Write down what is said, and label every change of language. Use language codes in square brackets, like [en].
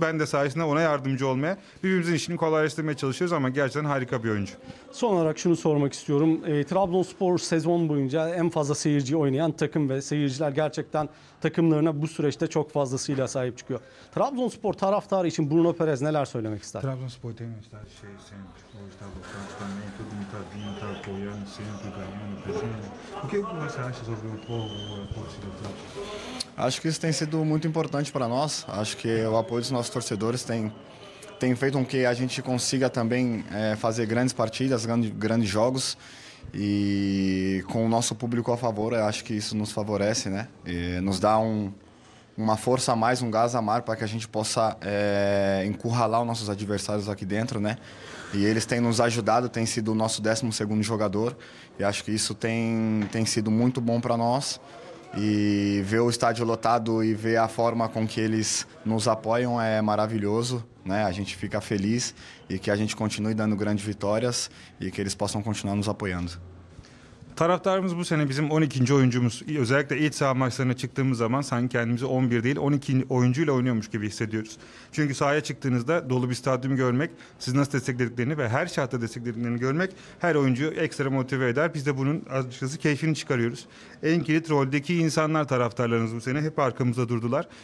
[tr] Ben de sahasında ona yardımcı olmaya, birbirimizin işini kolaylaştırmaya çalışıyoruz ama gerçekten harika bir oyuncu. Son olarak şunu sormak istiyorum. Trabzonspor sezon boyunca en fazla seyirci oynayan takım ve seyirciler gerçekten takımlarına bu süreçte çok fazlasıyla sahip çıkıyor. Trabzonspor taraftarı için Bruno Perez neler söylemek ister? Trabzonspor taraftarı için [pt] sempre hoje está gostando também, todo mundo está vindo, está apoiando, sempre ganhando, presente. O que você acha sobre o povo, a torcida do Trabzonspor? Acho que isso tem sido muito importante para nós. Acho que o apoio dos nossos torcedores tem feito com que a gente consiga também fazer grandes partidas, grandes jogos. E com o nosso público a favor, eu acho que isso nos favorece, né? E nos dá uma força a mais, um gás a mais, para que a gente possa encurralar os nossos adversários aqui dentro, né? E eles têm nos ajudado, tem sido o nosso 12º jogador, e acho que isso tem sido muito bom para nós. E ver o estádio lotado e ver a forma com que eles nos apoiam é maravilhoso, né? A gente fica feliz, e que a gente continue dando grandes vitórias e que eles possam continuar nos apoiando. [tr] Taraftarımız bu sene bizim 12. oyuncumuz. Özellikle iç saha maçlarına çıktığımız zaman sanki kendimizi 11 değil 12 oyuncuyla oynuyormuş gibi hissediyoruz. Çünkü sahaya çıktığınızda dolu bir stadyum görmek, sizi nasıl desteklediklerini ve her şartta desteklediklerini görmek her oyuncuyu ekstra motive eder. Biz de bunun açıkçası keyfini çıkarıyoruz. En kilit roldeki insanlar taraftarlarımız bu sene hep arkamızda durdular.